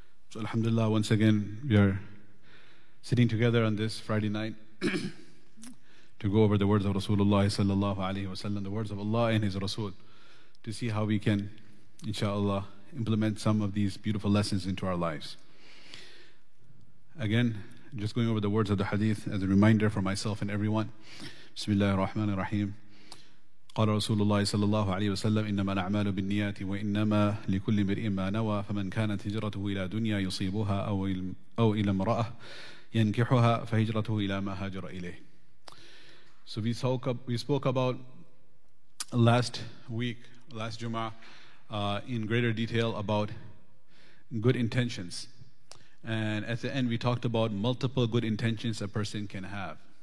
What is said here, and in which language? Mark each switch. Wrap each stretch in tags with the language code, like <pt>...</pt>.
<en>So alhamdulillah, once again we are sitting together on this Friday night to go over the words of Rasulullah sallallahu alayhi wa sallam, the words of Allah and His Rasul, to see how we can, inshallah, implement some of these beautiful lessons into our lives. Again, just going over the words of the hadith as a reminder for myself and everyone.</en> <ar>Bismillah ar-Rahman ar-Rahim. قال رسول الله صلى الله عليه وسلم إنما الأعمال بالنيات وإنما لكل امرئ ما نوى فمن كانت هجرته إلى دنيا يصيبها أو إلى امرأة ينكحها فهجرته إلى ما هاجر إليه.</ar> <en>So we spoke about last week, last Jum'ah, in greater detail about good intentions. And at the end, we talked about multiple good intentions a person can have.</en>